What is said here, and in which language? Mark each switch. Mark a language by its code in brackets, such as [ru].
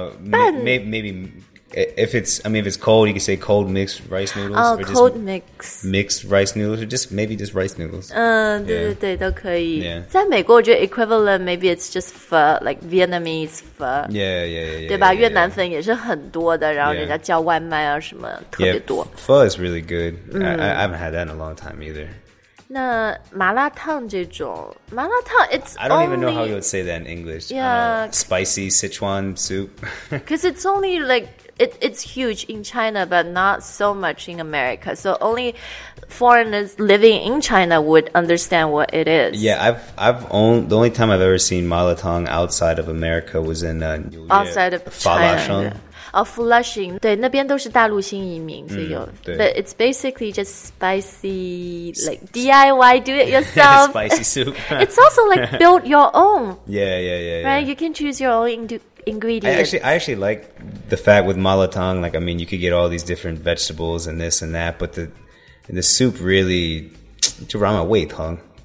[en] 拌 maybe If it's, I mean, if it's cold, you can say cold mixed rice noodles. Oh, cold mix. Mixed rice noodles, or just maybe just rice noodles. [zh] 对对对，都可以。 [en] Yeah. [zh] 在美国，我觉得 equivalent, [en] maybe it's just pho, like Vietnamese pho. Yeah, yeah, yeah. [zh] 对吧 [en] yeah, yeah. [zh] 越南粉也是很多的，然后人家叫外卖啊什么 [en] yeah. [zh] 特别多。 [en] Pho is really good. I haven't had that in a long time either. [zh] 那麻辣烫这种，麻辣烫 it's [en] I don't only, even know how you would say that in English. Yeah. Spicy Sichuan soup. Because it's only like,It's huge in China, but not so much in America. So only foreigners living in China would understand what it is. Yeah, the only time I've ever seen malatang outside of America was in outside of China. Oh, Flushing. [zh] 对，那边都是大陆新移民，所以有。 [en] But it's basically just spicy, like DIY, do it yourself. Spicy soup. It's also like build your own. Yeah, yeah, yeah. Right, yeah. You can choose your own ingredients. I actually like the fact with malatang, like, I mean, you could get all these different vegetables and this and that, but the soup really, it's around my weight, huh?